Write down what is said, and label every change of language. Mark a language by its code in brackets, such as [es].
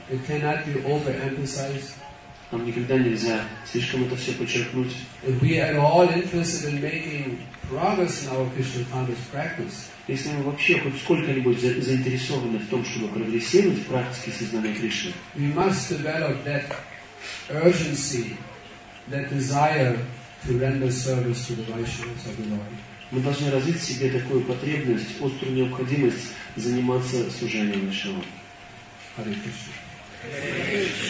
[en] It cannot be overemphasized. [ru] Нам никогда нельзя слишком это все подчеркнуть. [en] If we are all interested in making progress in our Krishna conscious practice. [ru] Если мы вообще хоть сколько-нибудь заинтересованы в том, чтобы прогрессировать в практике сознания Кришны, [en] we must develop that urgency, that desire to render service to the Vaishnavas of the Lord. [ru] Мы должны развить в себе такую потребность, острую необходимость заниматься служением Вайшнавам. [en] Hare Krishna.